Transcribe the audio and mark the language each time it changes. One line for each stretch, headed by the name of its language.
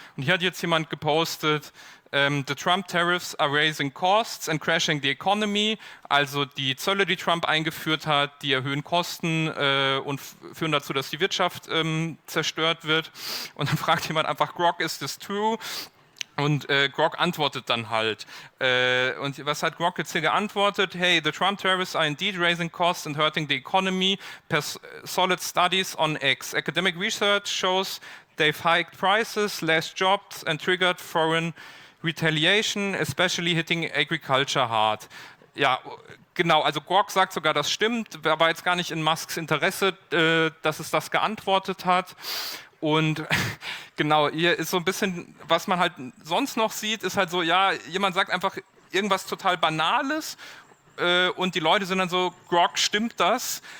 German: Und hier hat jetzt jemand gepostet,
English: the Trump tariffs are raising costs and crashing the economy,
German: also die Zölle, die Trump eingeführt hat, die erhöhen Kosten und führen dazu, dass die Wirtschaft zerstört wird. Und dann fragt jemand einfach, Grok,
English: is this true?
German: Und Grok antwortet dann halt. Und was hat Grok jetzt hier geantwortet?
English: Hey, the Trump tariffs are indeed raising costs and hurting the economy per solid studies on X. Academic research shows they've hiked prices, slashed jobs and triggered foreign retaliation, especially hitting agriculture hard.
German: Ja, genau, also Grok sagt sogar, das stimmt, war jetzt gar nicht in Musks Interesse, dass es das geantwortet hat. Und genau, hier ist so ein bisschen, was man halt sonst noch sieht, ist halt so, ja, jemand sagt einfach irgendwas total Banales und die Leute sind dann so, Grok, stimmt das?